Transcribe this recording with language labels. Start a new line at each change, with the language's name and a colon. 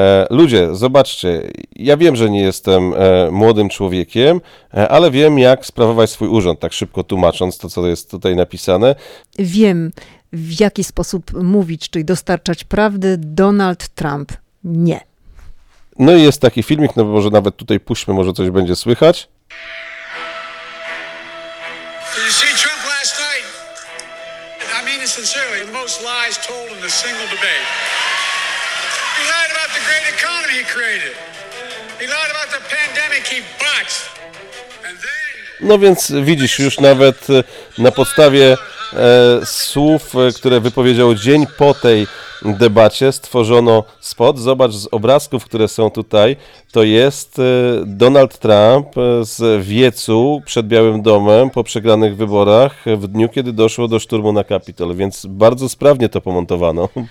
Polish: Ludzie, zobaczcie, ja wiem, że nie jestem młodym człowiekiem, ale wiem, jak sprawować swój urząd, tak szybko tłumacząc to, co jest tutaj napisane. Wiem, w jaki sposób mówić, czyli dostarczać prawdy, Donald Trump nie. No i jest taki filmik, no może nawet tutaj puśćmy, może coś będzie słychać.
English: Did you see Trump last night? I mean it sincerely, the most lies told in a single debate. He lied about the great economy he created. He lied about the pandemic he botched.
Polish: No więc widzisz, już nawet na podstawie słów, które wypowiedział dzień po tej debacie stworzono spot. Zobacz, z obrazków, które są tutaj, to jest Donald Trump z wiecu przed Białym Domem po przegranych wyborach w dniu, kiedy doszło do szturmu na Capitol, więc bardzo sprawnie to pomontowano.